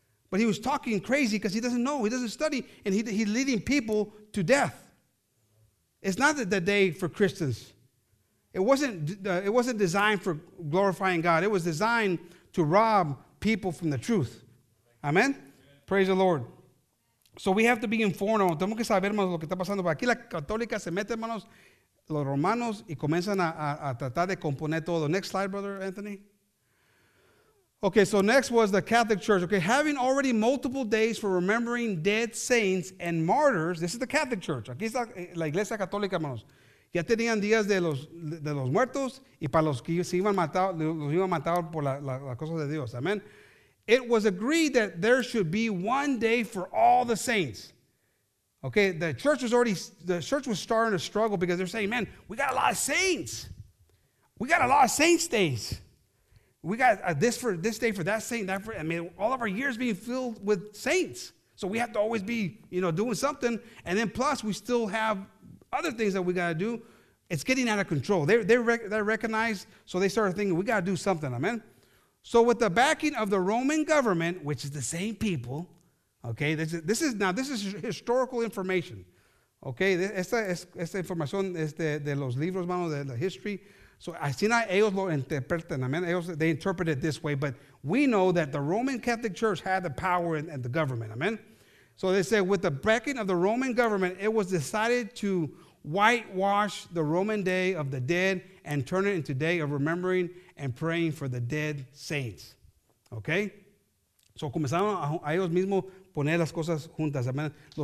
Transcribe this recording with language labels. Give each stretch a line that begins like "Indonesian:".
English: But he was talking crazy because he doesn't know, he doesn't study, and he's leading people to death. It's not the day for Christians. It wasn't designed for glorifying God. It was designed to rob people from the truth. Amen? Praise the Lord. So we have to be informed.
Spanish: Tenemos que saber, hermanos, lo que está pasando. Aquí la católica se mete, hermanos, los romanos, y comienzan a tratar de componer todo.
English: Next slide, Brother Anthony. Okay, so next was the Catholic Church. Okay, having already multiple days for remembering dead saints and martyrs. This is the Catholic Church.
Spanish: Aquí está la iglesia católica, hermanos. Ya tenían días de los muertos y para los que se iban a matar, los iban a matar por las cosas de Dios.
English: Amen. It was agreed that there should be one day for all the saints. Okay, the church was starting to struggle because they're saying, man, we got a lot of saints. We got a lot of saints days. We got this for this day, for that saint, that for, I mean, all of our years being filled with saints. So we have to always be, you know, doing something. And then plus, we still have other things that we got to do. It's getting out of control. They recognize, so they started thinking, we got to do something, amen? So with the backing of the Roman government, which is the same people, okay, this is historical information.
Spanish: Okay, esta información es de los libros, mano, de la history. So, así no ellos lo interpretan, amen.
English: They interpret it this way, but we know that the Roman Catholic Church had the power and the government, amen. So they say, with the backing of the Roman government, it was decided to whitewash the Roman Day of the Dead and turn it into Day of Remembering and Praying for the Dead Saints. Okay?
Spanish: So comenzaron a ellos mismos poner las cosas juntas, amen.